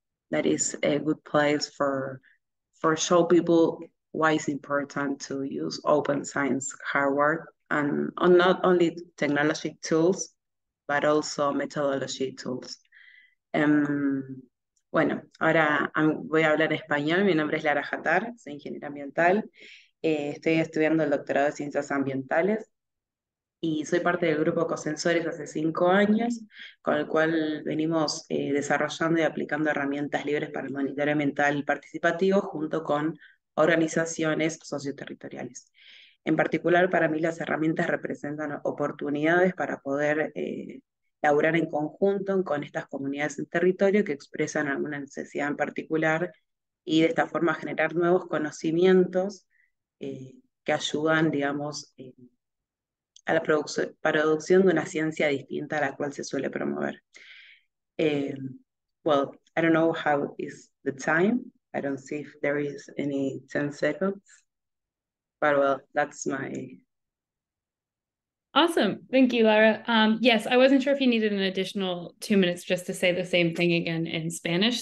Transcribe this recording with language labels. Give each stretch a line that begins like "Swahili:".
English: that is a good place for show people why it's important to use open science hardware and on not only technology tools, but also methodology tools.
Spanish: Bueno, ahora voy a hablar español. Mi nombre es Lara Jatar, soy ingeniera ambiental. Estoy estudiando el doctorado de ciencias ambientales y soy parte del grupo Cosensores hace 5 años, con el cual venimos desarrollando y aplicando herramientas libres para el monitoreo ambiental participativo junto con organizaciones socioterritoriales. En particular, para mí las herramientas representan oportunidades para poder laburar en conjunto con estas comunidades en territorio que expresan alguna necesidad en particular y de esta forma generar nuevos conocimientos que ayudan, digamos, a la producción de una ciencia distinta a la cual se suele promover.
English: Well, I don't know how is the time. I don't see if there is any 10 seconds. But well, that's my... Awesome. Thank you, Lara. Yes, I wasn't sure if you needed an additional 2 minutes just to say the same thing again in Spanish.